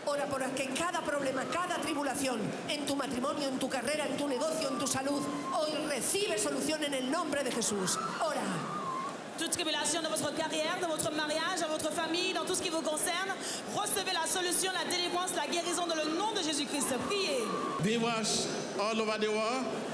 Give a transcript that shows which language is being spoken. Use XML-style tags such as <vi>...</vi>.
<es>Porque cada problema, cada tribulación en tu matrimonio, en tu carrera, en tu negocio, en tu salud, hoy recibe solución en el nombre de Jesús. Ora.</es> <fr>Toute tribulation dans votre carrière, dans votre mariage, dans votre famille, dans tout ce qui vous concerne, recevez la solution, la délivrance, la guérison dans le nom de Jésus-Christ. Priez.</fr> <en>Viewers all over the world.</en>